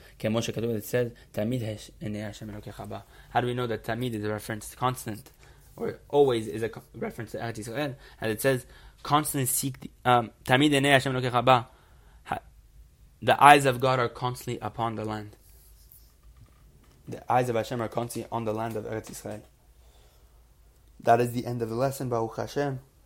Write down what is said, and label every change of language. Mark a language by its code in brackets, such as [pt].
[he] כמו שכתוב, [en] it says, [he] תמיד עיני השם אלוקיך בה. [en] How do we know that תמיד is a reference to constant, or always is a reference to Eretz Yisrael? As it says, constantly seek, [he] תמיד עיני השם אלוקיך בה. [en] The eyes of God are constantly upon the land. The eyes of Hashem are constantly on the land of Eretz Yisrael. That is the end of the lesson, Baruch Hashem.